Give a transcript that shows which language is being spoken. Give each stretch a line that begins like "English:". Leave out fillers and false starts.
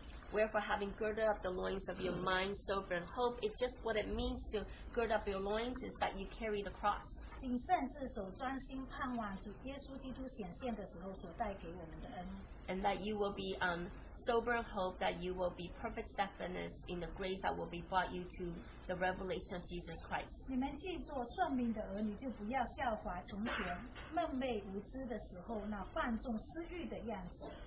English: Wherefore, having girded up the loins of your mind, sober and hope, it's just what it means to gird up your loins is that you carry the cross.
Chinese: 谨慎自守专心盼望主耶稣基督显现的时候所带给我们的恩
English: and that you will be sober and hope that you will be perfect steadfastness in the grace that will be brought you to the revelation of Jesus Christ.
Chinese: 你们既做算命的儿女就不要效法从前梦寐无知的时候那放纵私欲的样子